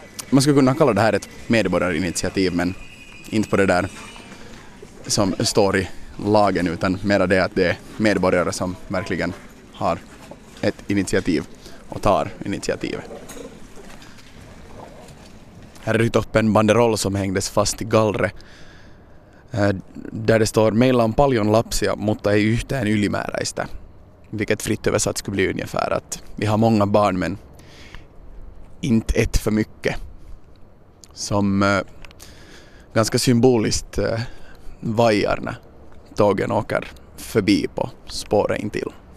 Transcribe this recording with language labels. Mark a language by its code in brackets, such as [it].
[sv] Man skulle kunna kalla det här ett medborgarinitiativ men inte på det där som står i lagen utan mer det att det är medborgare som verkligen har ett initiativ och tar initiativet. Här är upp en banderoll som hängdes fast i gallret. Där det står, [fi] meillä on paljon lapsia, mutta ei yhtään ylimääräistä. [sv] Vilket fritt översatt skulle bli ungefär att vi har många barn, men inte ett för mycket. Som ganska symboliskt vajar när tågen åker förbi på spåret intill.